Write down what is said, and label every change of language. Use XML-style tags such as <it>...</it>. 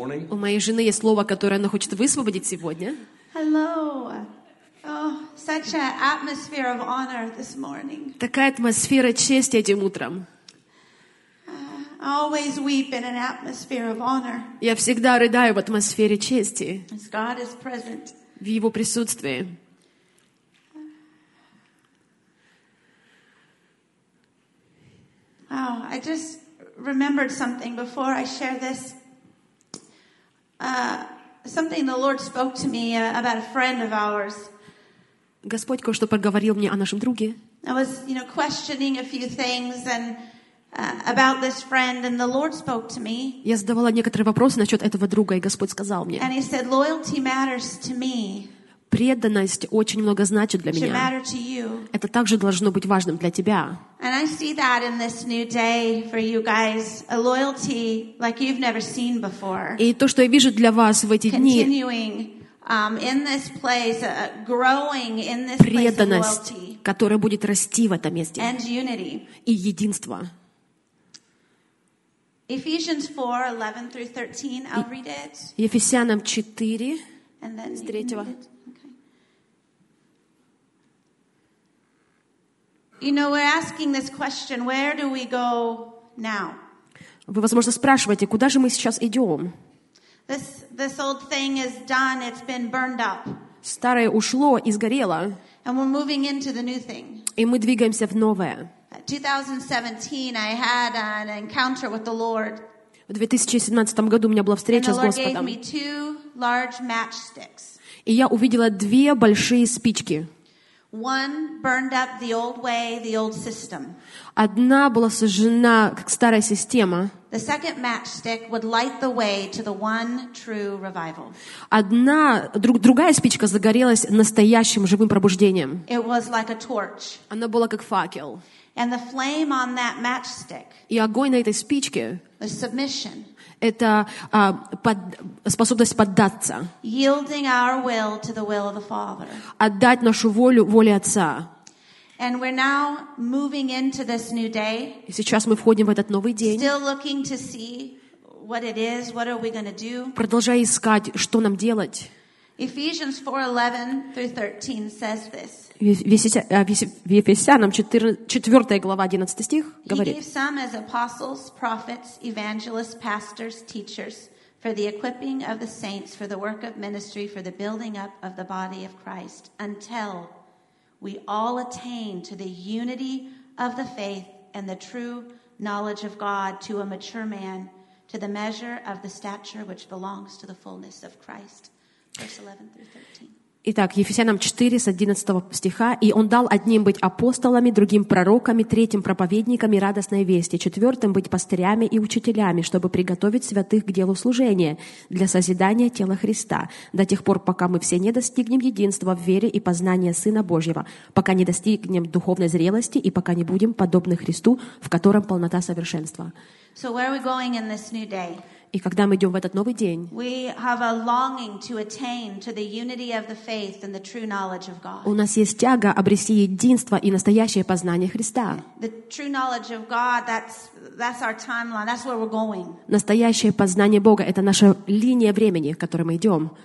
<ru>У моей жены есть слово, которое она хочет высвободить сегодня.</ru> <en>Hello. Oh, such an atmosphere of honor this morning.</en> <ru>Такая атмосфера чести этим утром.</ru> <en>I always weep in an atmosphere of honor.</en> <ru>Я всегда рыдаю в атмосфере чести.</ru> <en>As God is present.</en> <ru>В Его присутствии.</ru> <en>Oh, I just remembered something before I share this. Something the Lord spoke to me about a friend of ours.</en> <ru>Господь кое-что проговорил мне о нашем друге.</ru> <en>I was, you know, questioning a few things and about this friend, and the Lord spoke to me.</en> <ru>Я задавала некоторые вопросы насчет этого друга, и Господь сказал мне.</ru> <en>And he said, loyalty matters to me.</en> <ru>Преданность очень много значит для меня.</ru> <en>Should matter to you.</en> <ru>Это также должно быть важным для тебя.</ru> <en>And I see that in this new day for you guys, a loyalty like you've never seen before.</en> <ru>И то, что я вижу для вас в эти дни.</ru> <en>Continuing. In this place, growing in this place of loyalty,</en> <ru>которая будет расти в этом месте,</ru> <en>and unity,</en> <ru>и единство.</ru> <en>Ephesians 4:11 through 13. I'll read it.</en> <ru>Ефесянам 4,</ru> <en>and then</en> <ru>с 3-го.</ru> <en>Okay. You know, we're asking this question: where do we go now?</en> <ru>Вы, возможно, спрашиваете, куда же мы сейчас идем?</ru> <en>This old thing is done, it's been burned up.</en> <ru>Старое ушло и сгорело.</ru> <en>And we're moving into the new thing.</en> <ru>И мы двигаемся в новое.</ru> <en>In 2017 I had an encounter with the Lord.</en> <ru>В 2017 году у меня была встреча с Господом.</ru> <en>And the Lord gave me two large matchsticks.</en> <ru>И я увидела две большие спички.</ru> <en>One burned up the old way, the old system.</en> <ru>Одна была сожжена, как старая система.</ru> <en>The second matchstick would light the way to the one true revival.</en> <ru>Другая спичка загорелась настоящим живым пробуждением.</ru> <en>It was like a torch.</en> <ru>Она была как факел.</ru> <en>And the flame on that matchstick.</en> <ru>И огонь на этой спичке.</ru> <en>Was submission.</en> <ru>Это способность поддаться.</ru> <en>Yielding our will to the will of the Father.</en> <ru>Отдать нашу волю воле Отца.</ru> <en>And we're now moving into this new day.</en> <ru>И сейчас мы входим в этот новый день.</ru> <en>Still looking to see what it is, what are we going to do?</en> <ru>Продолжая искать, что нам делать.</ru> <en>Ephesians 4:11 through 13 says this.</en> <ru>В Ефесянам 4 глава 11 стих говорит.</ru> <en>He gave some as apostles, prophets, evangelists, pastors, teachers for the equipping of the saints, for the work of ministry, for the building up of the body of Christ, until we all attain to the unity of the faith and the true knowledge of God, to a mature man, to the measure of the stature which belongs to the fullness of Christ. Verse 11 through 13.</en> <ru>Итак, Ефесянам 4, с 11 стиха. «И Он дал одним быть апостолами, другим пророками, третьим проповедниками радостной вести, четвертым быть пастырями и учителями, чтобы приготовить святых к делу служения для созидания тела Христа, до тех пор, пока мы все не достигнем единства в вере и познания Сына Божьего, пока не достигнем духовной зрелости и пока не будем подобны Христу, в котором полнота совершенства».</ru> <en>So where are we going in this new day?</en> <ru>И когда мы идем в этот новый день,</ru> <en>we have a longing to attain to the unity of the faith and the true knowledge of God.</en> <ru>У нас есть тяга обрести единство и настоящее познание Христа.</ru> <en>The true knowledge of God, that's our timeline, that's where we're going.</en> <ru>Настоящее познание Бога — это наша линия времени, к которой мы идем.</ru>